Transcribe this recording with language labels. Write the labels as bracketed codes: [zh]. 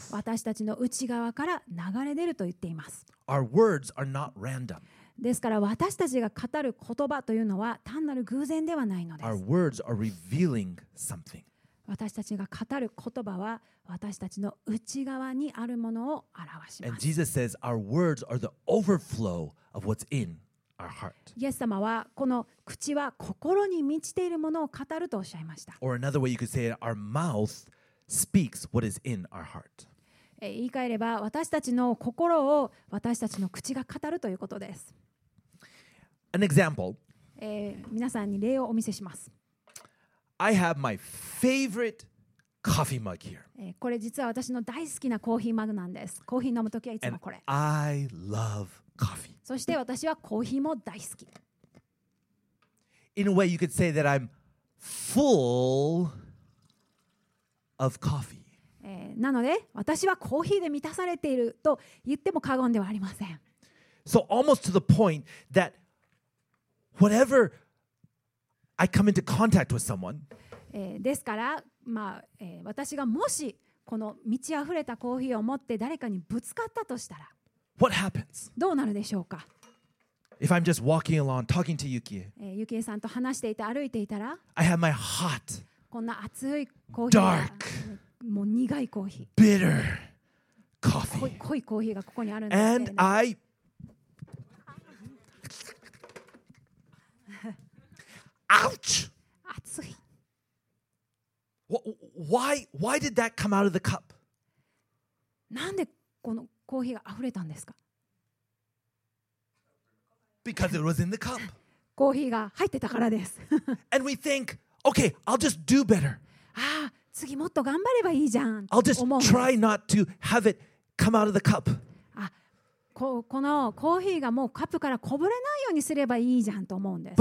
[ja] 私たちの内側から流れ出ると言っています。 [en] Our words are not random. [ja] ですから私たちが語る言葉というのは単なる偶然ではないのです。 [en] Our words are revealing something. [ja] 私たちが語る言葉は私たちの内側にあるものを表します。 [en] And Jesus says our words are the overflowOf what's in our heart. [ja] イエス様はこの口は心に満ちているものを語るとおっしゃいました。 [en] Or another way you could say it, our mouth speaks what is in our heart. [ja] 言い換えれば私たちの心を私たちの口が語るということです。 [en] An example. [ja] 皆さんに例をお見せします。 [en] I have my favorite coffee mug here. [ja] これ実は私の大好きなコーヒーマグなんです。コーヒー飲むときはいつもこれ。 [en] And I love coffee. [ja] そして私はコーヒーも大好き。 [en] In a way, you could say that I'm full of coffee. [ja] なので、私はコーヒーで満たされていると言っても過言ではありません。 [en] So almost to the point that whatever I come into contact with someone, [ja] ですから、まあ、私がもしこの満ち溢れたコーヒーを持って誰かにぶつかったとしたら、 [en] What happens? [ja] どうなるでしょうか。 [en] If I'm just walking along, talking to Yukie, [ja] Yukie さんと話していて歩いていたら、 [en] I have my hot, [ja] こんな熱いコーヒー、 [en] dark, [ja] もう苦いコーヒー、 [en] bitter coffee, [ja] 濃いコーヒーがここにあるんですね。 [en] And ouch, [ja] 熱い。 [en] Why did that come out of the cup? [ja] なんでこのコーヒーが溢れたんですか。 [en] Because it was in the cup. [ja] コーヒーが入ってたからです。 [en] And we think, okay, I'll just do better. [ja] ああ、次もっと頑張ればいいじゃん。 [en] I'll just try not to have it come out of the cup. [ja] あ、このコーヒーがもうカップからこぼれないようにすればいいじゃんと思うんです。